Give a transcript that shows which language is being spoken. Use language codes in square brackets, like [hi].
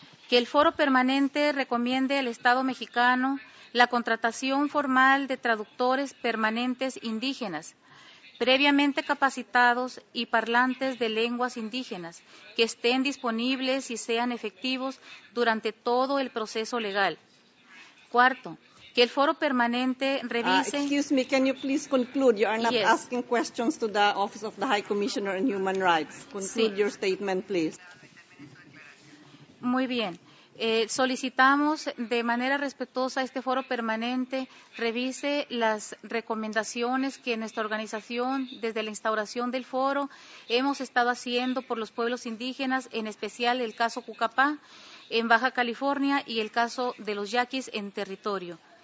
[es] Que el foro permanente recomiende al Estado mexicano la contratación formal de traductores permanentes indígenas, previamente capacitados y parlantes de lenguas indígenas, que estén disponibles y sean efectivos durante todo el proceso legal. Cuarto, que el foro permanente revise... [en] Excuse me, can you please conclude? You are not asking questions to the Office of the High Commissioner on Human Rights. Conclude your statement, please. [es] Muy bien. Solicitamos de manera respetuosa a este foro permanente revise las recomendaciones que nuestra organización, desde la instauración del foro, hemos estado haciendo por los pueblos indígenas, en especial el caso Cucapá en Baja California y el caso de los Yaquis en territorio.